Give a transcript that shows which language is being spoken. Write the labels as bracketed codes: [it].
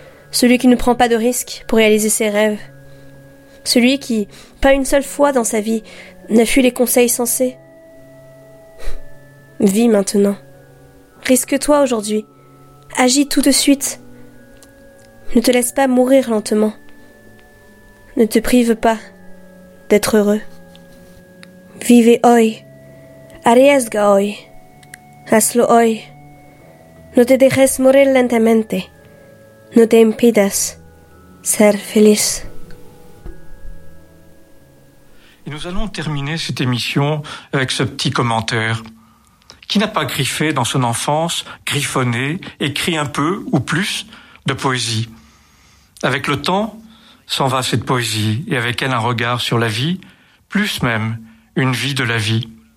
[fr] Celui qui ne prend pas de risques pour réaliser ses rêves. Celui qui, pas une seule fois dans sa vie, n'a fui les conseils sensés. Vis maintenant. Risque-toi aujourd'hui. Agis tout de suite. Ne te laisse pas mourir lentement. Ne te prive pas d'être heureux. [es] Vive hoy, arriesga hoy, hazlo hoy. No te dejes morir lentamente, no te impidas ser feliz. [fr] Et nous allons terminer cette émission avec ce petit commentaire. Qui n'a pas griffé dans son enfance, griffonné, écrit un peu ou plus de poésie ? Avec le temps, s'en va cette poésie, et avec elle un regard sur la vie, plus même une vie de la vie.